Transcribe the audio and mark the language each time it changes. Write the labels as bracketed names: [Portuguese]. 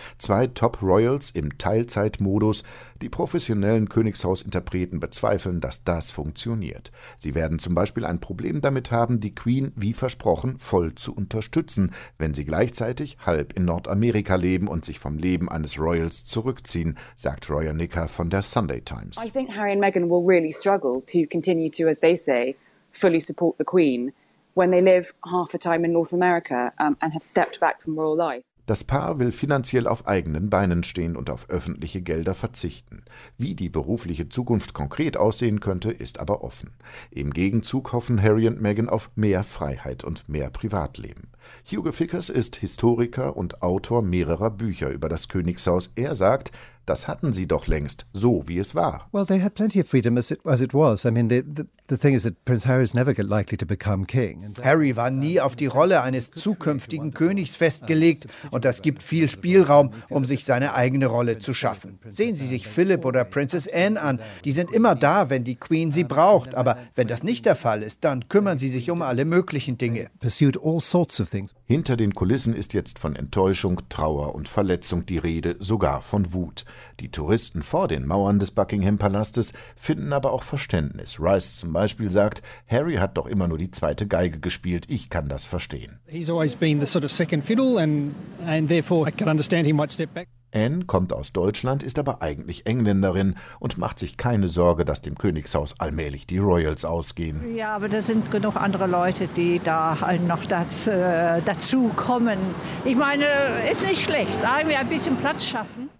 [German] Zwei Top-Royals im Teilzeitmodus. Die professionellen Königshausinterpreten bezweifeln, dass das funktioniert. Sie werden zum Beispiel ein Problem damit haben, die Queen, wie versprochen, voll zu unterstützen, wenn sie gleichzeitig halb in Nordamerika leben und sich vom Leben eines Royals zurückziehen, sagt Roya Nicker von der Sunday Times. [English] I think Harry and Meghan will really struggle to continue to, as they say, fully support the Queen when they live half a time in North America and have stepped back from royal life. [German] Das Paar will finanziell auf eigenen Beinen stehen und auf öffentliche Gelder verzichten. Wie die berufliche Zukunft konkret aussehen könnte, ist aber offen. Im Gegenzug hoffen Harry und Meghan auf mehr Freiheit und mehr Privatleben. Hugo Vickers ist Historiker und Autor mehrerer Bücher über das Königshaus. Er sagt, das hatten sie doch längst, so wie es war. [English] Well, they had plenty of freedom as it was. I mean, the thing is that Prince Harry is never likely to become king. [German] Harry war nie auf die Rolle eines zukünftigen Königs festgelegt und das gibt viel Spielraum, um sich seine eigene Rolle zu schaffen. Sehen Sie sich Philip oder Princess Anne an. Die sind immer da, wenn die Queen sie braucht. Aber wenn das nicht der Fall ist, dann kümmern sie sich um alle möglichen Dinge. [English] Pursued all sorts of things. [German] Hinter den Kulissen ist jetzt von Enttäuschung, Trauer und Verletzung die Rede, sogar von Wut. Die Touristen vor den Mauern des Buckingham-Palastes finden aber auch Verständnis. Rice zum Beispiel sagt, Harry hat doch immer nur die zweite Geige gespielt, ich kann das verstehen. [English] He's always been the sort of second fiddle and therefore I can understand he might step back. [German] Anne kommt aus Deutschland, ist aber eigentlich Engländerin und macht sich keine Sorge, dass dem Königshaus allmählich die Royals ausgehen. Ja, aber da sind genug andere Leute, die da noch dazu kommen. Ich meine, ist nicht schlecht, irgendwie ein bisschen Platz schaffen.